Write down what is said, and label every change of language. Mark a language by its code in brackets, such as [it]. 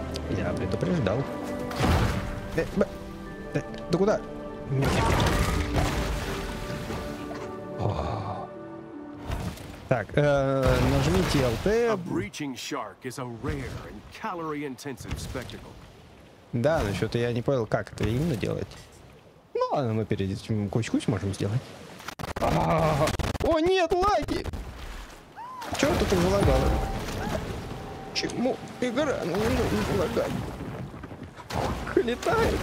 [ru] Я предупреждал. Да куда? Так, нажми TLT. [en] A breaching shark is a rare and calorie-intensive spectacle. [ru] Да, насчет я не понял, как это именно делать. Ну ладно, мы перед этим кучку-кучку можем сделать. О, нет, лаги! Чё тут уже лагало? Чему игра не лагает? Летает?